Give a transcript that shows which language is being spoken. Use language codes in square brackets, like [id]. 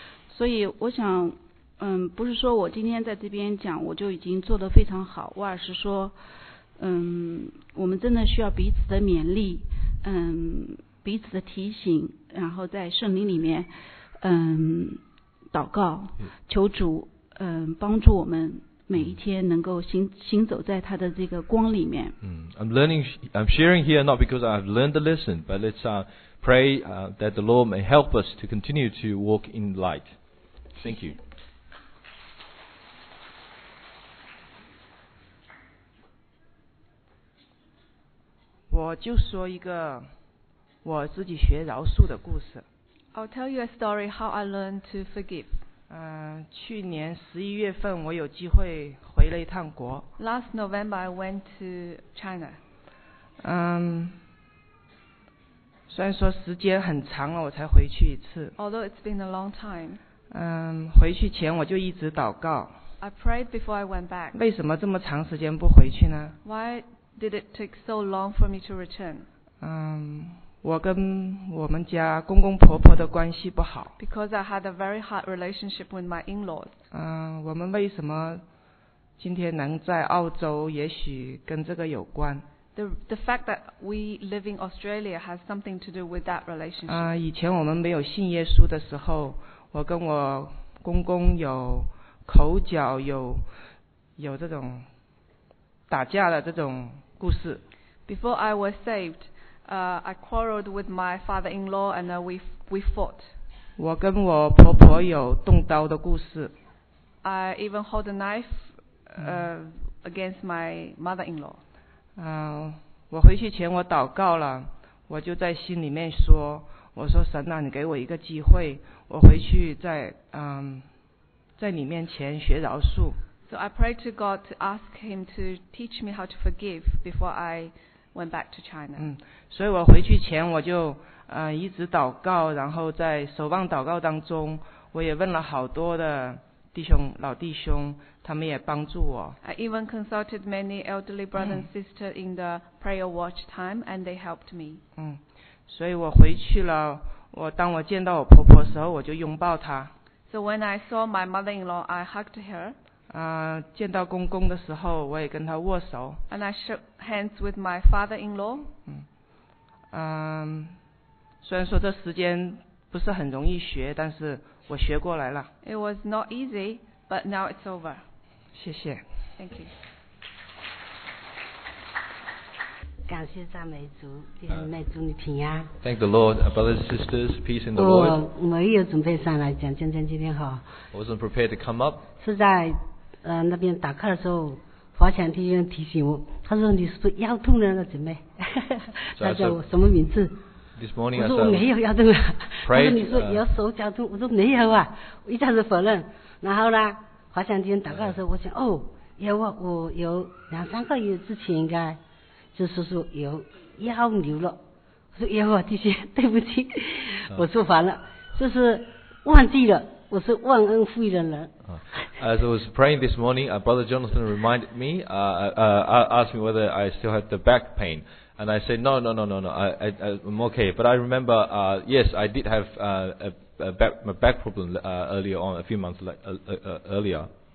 [zh] 所以我想不是说我今天在这边讲我就已经做得非常好，我而是说我们真的需要彼此的勉励，彼此的提醒，然后在圣灵里面祷告，求主帮助我们每一天能够行走在他的这个光里面。 [en] I'm sharing here not because I've learned the lesson, but let's pray that the Lord may help us to continue to walk in light. Thank you. I'll tell you a story how I learned to forgive. [zh] 去年11月份我有机会回了一趟国。 [en] Last November I went to China. [zh] 虽然说时间很长了我才回去一次。 [en] Although it's been a long time. [zh] 回去前我就一直祷告。 [en] I prayed before I went back. [zh] 为什么这么长时间不回去呢？ [en] Why did it take so long for me to return? [zh] 我跟我们家公公婆婆的关系不好。 [en] Because I had a very hard relationship with my in-laws. [zh] 我们为什么今天能在澳洲？也许跟这个有关。 [en] The fact that we live in Australia has something to do with that relationship. [zh] 以前我们没有信耶稣的时候，我跟我公公有口角，有这种打架的这种故事。 [en] Before I was saved. I quarreled with my father-in-law and we fought. [zh] 我跟我婆婆有动刀的故事。 [en] I even hold a knife against my mother-in-law. [zh] 我回去前我祷告了，我就在心里面说，我说神啊，你给我一个机会，我回去再在你面前学饶恕。 [en] So I prayed to God to ask Him to teach me how to forgive before I went back to China. [zh] 嗯，所以我回去前我就一直祷告，然后在守望祷告当中，我也问了好多的弟兄老弟兄，他们也帮助我。 [en] I even consulted many elderly brothers and sisters in the prayer watch time, and they helped me. [zh] 嗯，所以我回去了。我当我见到我婆婆的时候，我就拥抱她。 [en] So when I saw my mother-in-law, I hugged her. [zh] 见到公公的时候，我也跟他握手。 [en] And I shook hands with my father-in-law. [zh] 嗯，虽然说这时间不是很容易学，但是我学过来了。 [en] It was not easy, but now it's over. [zh] 谢谢。 [en] Thank you. [zh] 感谢赞美主，弟兄妹祝你平安。 [en] Thank the Lord, brothers and sisters, peace in the Lord. [zh] 我没有准备上来讲见证今天哈。 [en] I wasn't prepared to come up. [zh] 是在那边打课的时候，华强弟兄提醒我，他说你是不是腰痛了，姊妹？他叫我什么名字？ [en] This morning [zh] 我说我没有腰痛啊。 [en] Prayed, [zh] 他说你说有手脚痛，我说没有啊，我一下子否认。然后呢，华强弟兄打课的时候，我想哦，有啊，我有两三个月之前应该。就是说有腰扭了，我说有啊，弟兄，对不起，我说烦了，就是忘记了，我是忘恩负义的人。 [en] As I was praying this morning, Brother Jonathan reminded me, asked me whether I still had the back pain, and I said no, I'm okay. But I remember, yes, I did have a back problem earlier on, a few months earlier.